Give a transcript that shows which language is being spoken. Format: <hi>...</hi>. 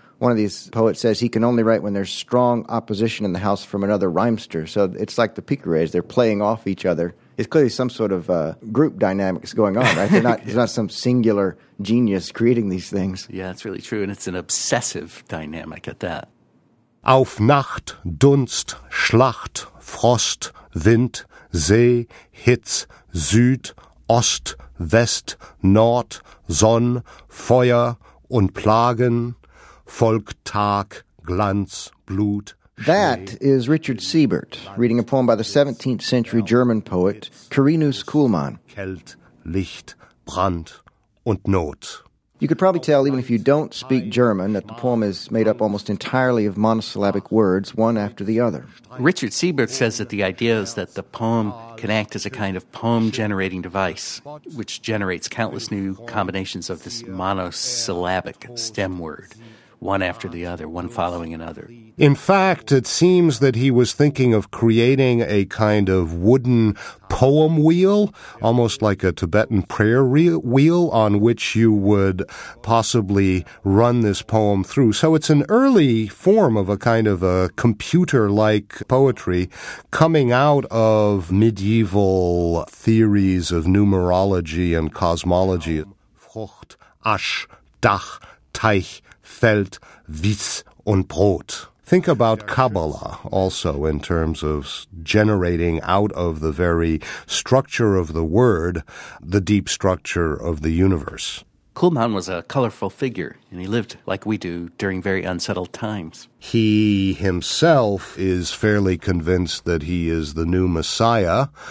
<en>One of these poets says he can only write when there's strong opposition in the house from another rhymester. So it's like the Picarades. They're playing off each other. It's clearly some sort of group dynamics going on, right? There's not some singular genius creating these things. Yeah, it's really true, and it's an obsessive dynamic at that.</en> <de>Auf Nacht, Dunst, Schlacht, Frost, Wind, See, Hitz, Süd, Ost, West, Nord, Sonn, Feuer und Plagen, Volk, Tag, Glanz, Blut.</de> <en>That is Richard Siebert reading a poem by the 17th century German poet Carinus Kuhlmann.</en> <de>Kält, Licht, Brand und Not.</de> <en>You could probably tell, even if you don't speak German, that the poem is made up almost entirely of monosyllabic words, one after the other. Richard Siebert says that the idea is that the poem can act as a kind of poem-generating device, which generates countless new combinations of this monosyllabic stem word, one after the other, one following another. In fact, it seems that he was thinking of creating a kind of wooden poem wheel, almost like a Tibetan prayer wheel on which you would possibly run this poem through. So it's an early form of a kind of a computer-like poetry coming out of medieval theories of numerology and cosmology.</en> <de>Frucht, Asch, Dach, Teich, Feld, Wies und Brot.</de> <en>Think about Kabbalah also in terms of generating out of the very structure of the word the deep structure of the universe. Kuhlmann was a colorful figure, and he lived, like we do, during very unsettled times. He himself is fairly convinced that he is the new Messiah.</en>